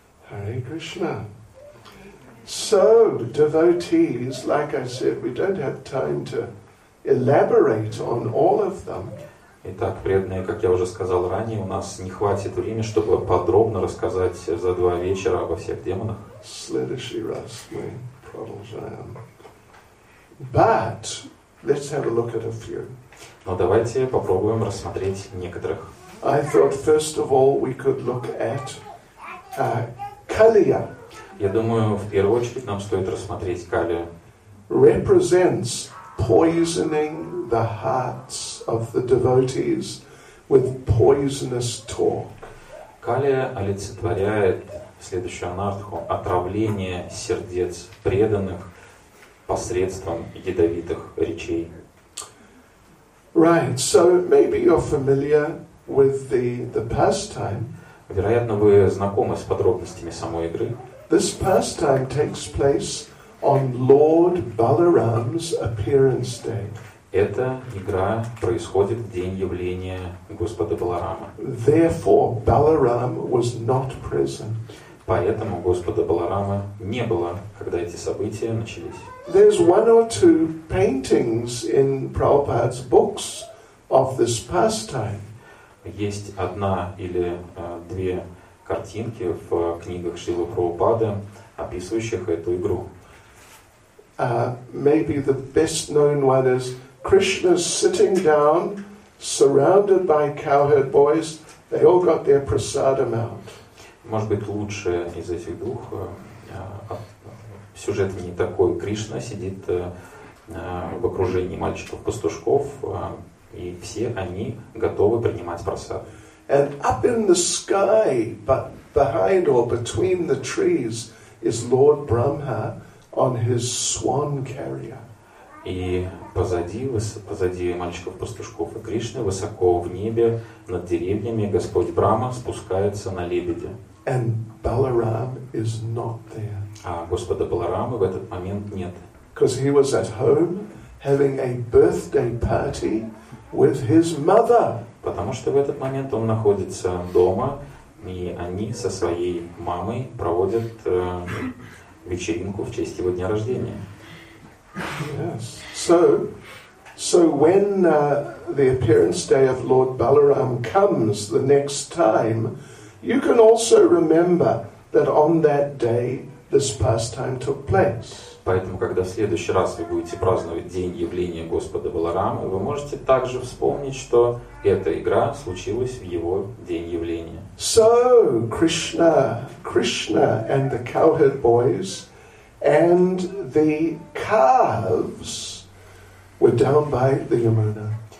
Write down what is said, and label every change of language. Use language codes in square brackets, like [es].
[en] Hare Krishna. So, devotees, like I said, we don't have time to elaborate on all of them. [ru] Итак, преданные, как я уже сказал ранее, у нас не хватит времени, чтобы подробно рассказать за два вечера обо всех демонах. В следующий раз мы продолжаем. [en] But let's have a look at a few. [ru] Но давайте попробуем рассмотреть некоторых. [en] I thought first of all we could look at Kaliya. [ru] Я думаю, в первую очередь нам стоит рассмотреть Калию. [en] Represents poisoning the hearts of the devotees with poisonous talk. [ru] Калия олицетворяет следующую анартху отравление сердец преданных посредством ядовитых речей. [en] Right, so maybe you're familiar with the pastime. [ru] Вероятно, вы знакомы с подробностями самой игры. [en] This pastime takes place on Lord Balaram's appearance day. [ru] Эта игра происходит в день явления Господа Баларама. [en] Therefore, Balaram was not present. [ru] Поэтому Господа Баларама не было, когда эти события начались. [en] There's one or two paintings in Prabhupada's books of this pastime. [ru] Есть одна или две картинки в книгах Шрилы Прабхупады, описывающих эту игру. [en] Maybe the best known one is Krishna sitting down, surrounded by cowherd boys. They all got their prasadam out. [ru] Может быть, лучше из этих двух сюжет не такой. Кришна сидит в окружении мальчиков-пастушков, и все они готовы принимать прасад. [en] And up in the sky, behind or between the trees, is Lord Brahma on his swan carrier. [ru] И позади мальчиков-пастушков и Кришны, высоко в небе, над деревьями, Господь Брахма спускается на лебеде. [en] And Balaram is not there. [ru] А Господа Баларама в этот момент нет. [en] Because he was at home having a birthday party with his mother. [ru] Потому что в этот момент он находится дома, и они со своей мамой проводят вечеринку в честь его дня рождения. [en] Yes. So when the appearance day of Lord Balaram comes the next time, you can also remember that on that day this pastime took place. [ru] Поэтому, когда в следующий раз вы будете праздновать день явления Господа Баларамы, вы можете также вспомнить, что эта игра случилась в его день явления. [en] So, Krishna and the cowherd boys and the calves were down by the Yamuna.